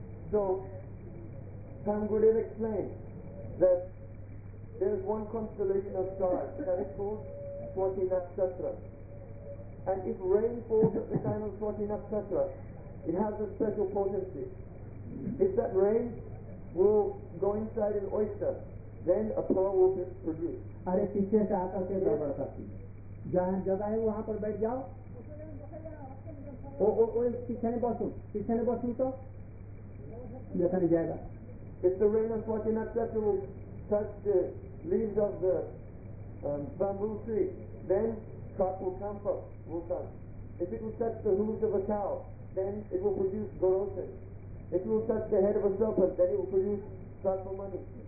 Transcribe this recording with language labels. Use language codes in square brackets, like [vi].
[en] So Pangurudev explained that there is one constellation of stars that is called Swati Nakshatra. And if rain falls at the time of Swati Nakshatra, it has a special potency. If that rain will go inside an oyster, then a pearl will be produced. [hi] अरे पीछे से आकर के गड़बड़ करती है, जहाँ जगह है वहाँ पर बैठ जाओ, पीछे बसू तो देखा नहीं जाएगा. [en] If the rain is lucky enough that it will touch the leaves of the bamboo tree, then crop will come up, will come. If it will touch the hooves of a cow, then it will produce groceries. If it will touch the head of a serpent, then it will produce crop for money.